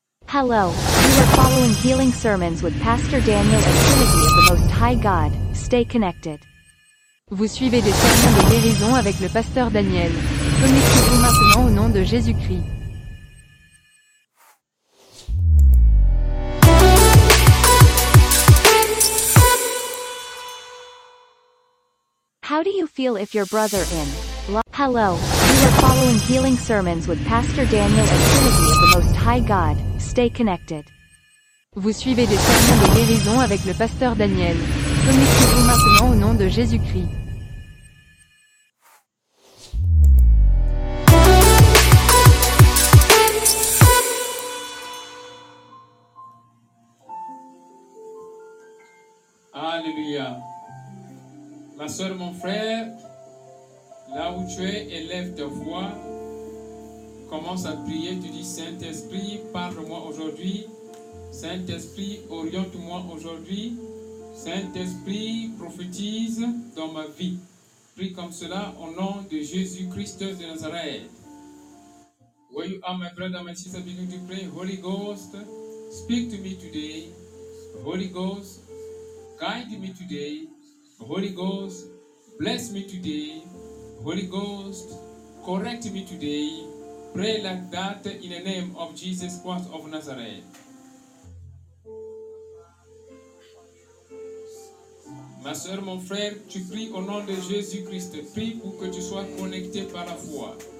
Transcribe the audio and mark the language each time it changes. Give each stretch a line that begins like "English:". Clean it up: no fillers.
English: Hello, you are following Healing Sermons with Pastor Daniel and Trinity of the Most High God. Stay connected.
French: Vous suivez des sermons de guérison avec le pasteur Daniel. Connectez-vous maintenant au nom de Jésus-Christ.
English: How do you feel if your brother in Hello, you are following Healing Sermons with Pastor Daniel and Trinity of the Most High God. Stay connected.
French: Vous suivez des sermons de guérison avec le pasteur Daniel. Connectez-vous maintenant au nom de Jésus-Christ. Alléluia. Ma soeur, mon frère, là où tu es, élève ta voix. Commence à prier, tu dis, Saint-Esprit, parle-moi aujourd'hui. Saint-Esprit, oriente-moi aujourd'hui. Saint-Esprit, prophétise dans ma vie. Prie comme cela au nom de Jésus-Christ de Nazareth.
English: Where you are, my brother, my sister, beginning to pray, Holy Ghost, speak to me today. Holy Ghost, guide me today. Holy Ghost, bless me today. Holy Ghost, correct me today. Pray like that in the name of Jesus Christ of Nazareth.
French: Ma soeur, mon frère, tu pries au nom de Jésus Christ. Prie pour que tu sois connecté par la foi.